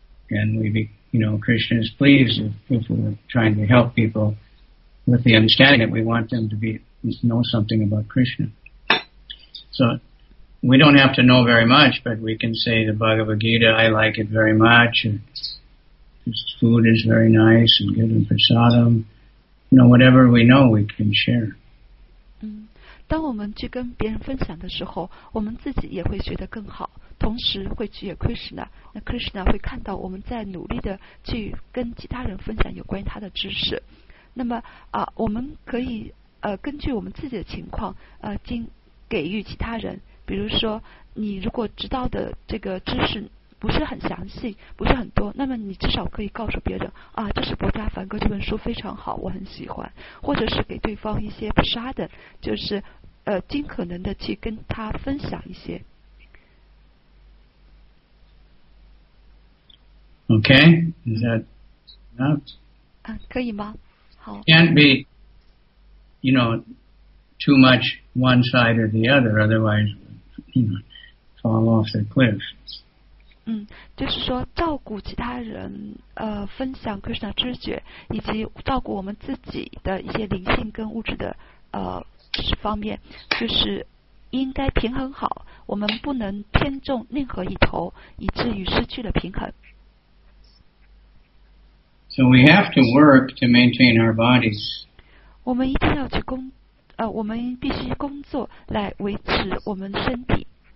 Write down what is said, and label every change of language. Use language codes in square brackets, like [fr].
[en] And we, Krishna is pleased if we're trying to help people with the understanding that we want them to be, know something about Krishna. So we don't have to know very much, but we can say the Bhagavad Gita, I like it very much, and his food is very nice, and give him prasadam. You know, whatever we know, we can share. [zh] 当我们去跟别人分享的时候，我们自己也会学得更好。同时会去给 Krishna， 那 Krishna 会看到我们在努力的去跟其他人分享有关于他的知识。那么我们可以根据我们自己的情况经给予其他人。比如说，你如果知道的这个知识不是很详细，不是很多，那么你至少可以告诉别人啊，这是《薄伽梵歌》这本书非常好，我很喜欢。或者是给对方一些 prasada， 就是尽可能的去跟他分享一些。 [en] Okay, is that enough? [zh] 可以吗？好。 [en] Can't be, you know, too much one side or the other, otherwise, you know, fall off the cliff. [zh] 就是说照顾其他人，分享 Krishna 知觉，以及照顾我们自己的一些灵性跟物质的方面，就是应该平衡好，我们不能偏重任何一头，以至于失去了平衡。 [en] So we have to work to maintain our bodies. [zh] 我们一定要去工，我们必须工作来维持我们身体。